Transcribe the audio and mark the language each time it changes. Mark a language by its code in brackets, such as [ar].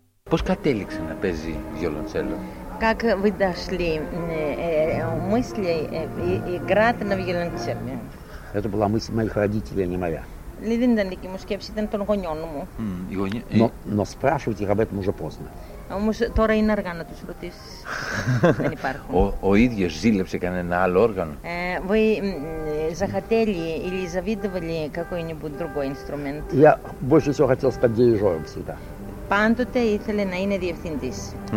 [el] Πώς κατέληξε να παίζει βιολοντσέλο? [ru] Как вы дошли мысли играть на виолончели? Это была мысль моих родителей, не моя. [el] Δεν ήταν δική μου σκέψη, ήταν των γονιών μου. [ru] Но спрашивать их об этом уже поздно. [el] Όμως τώρα είναι αργά να τους ρωτήσεις. Δεν υπάρχουν. Ο ίδιος ζήλεψε κανένα άλλο όργανο? [ru] Вы захотели или завидовали какой-нибудь другой инструмент? Я больше всего хотел стать дирижером всегда. [el] Πάντοτε ήθελε να είναι διευθυντής.